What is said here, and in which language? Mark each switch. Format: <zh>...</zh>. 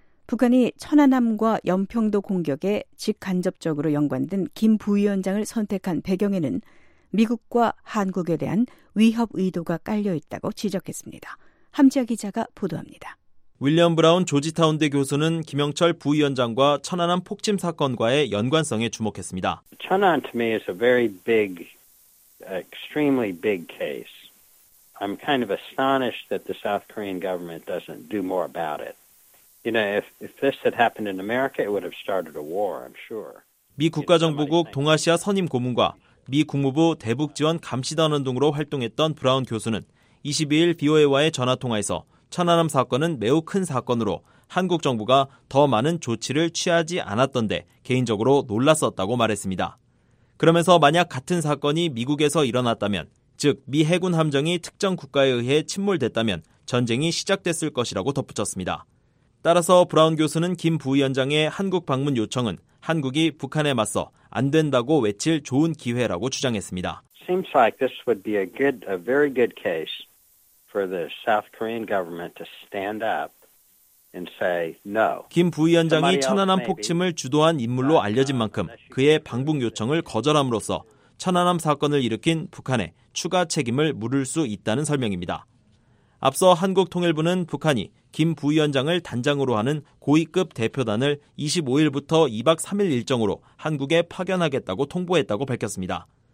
<ko>북한이 천안함과 연평도 공격에 직간접적으로 연관된 김 부위원장을 선택한 배경에는 미국과 한국에 대한 위협 의도가 깔려있다고 지적했습니다. 함지아 기자가 보도합니다. 윌리엄 브라운 조지타운대 교수는 김영철 부위원장과 천안함 폭침 사건과의 연관성에 주목했습니다.</ko> <en>천안 to me is a very big, extremely big case. I'm kind of astonished that the South Korean government doesn't do more about it. You know, if this had happened in America, it would have started a war, I'm sure.</en> <ko>미 국가정보국 동아시아 선임 고문과 미 국무부 대북지원 감시단원 등으로 활동했던 브라운 교수는 22일 VOA와의 전화통화에서 천안함 사건은 매우 큰 사건으로 한국 정부가 더 많은 조치를 취하지 않았던데 개인적으로 놀랐었다고 말했습니다. 그러면서 만약 같은 사건이 미국에서 일어났다면, 즉 미 해군 함정이 특정 국가에 의해 침몰됐다면 전쟁이 시작됐을 것이라고 덧붙였습니다. 따라서 브라운 교수는 김 부위원장의 한국 방문 요청은 한국이 북한에 맞서 안 된다고 외칠 좋은 기회라고 주장했습니다.</ko> <en>Seems like this would be a very good case. For the South Korean government to stand up and say no.</en> <ko>김 부위원장이 천안함 폭침을 주도한 인물로 알려진 만큼 그의 방북 요청을 거절함으로써 천안함 사건을 일으킨 북한에 추가 책임을 물을 수 있다는 설명입니다. 앞서 한국통일부는 북한이 김 부위원장을 단장으로 하는 고위급 대표단을 25일부터 2박 3일 일정으로 한국에 파견하겠다고 통보했다고 밝혔습니다.</ko>